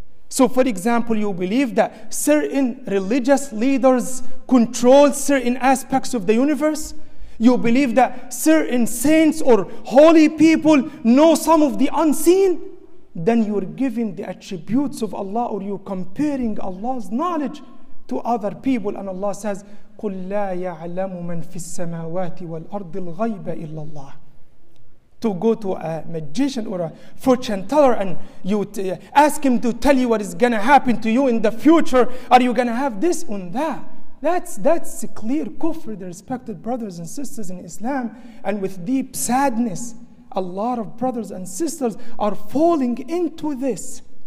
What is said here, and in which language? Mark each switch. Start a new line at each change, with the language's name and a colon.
English: So for example, you believe that certain religious leaders control certain aspects of the universe. You believe that certain saints or holy people know some of the unseen. Then you're giving the attributes of Allah, or you're comparing Allah's knowledge to other people. And Allah says,
Arabic: قُلْ لَا يَعْلَمُ مَنْ فِي السَّمَاوَاتِ وَالْأَرْضِ الْغَيْبَ إِلَّا اللَّهِ.
English: To go to a magician or a fortune teller and you ask him to tell you what is going to happen to you in the future, are you going to have this or that? That's a clear kufr, the respected brothers and sisters in Islam. And with deep sadness, a lot of brothers and sisters are falling into this.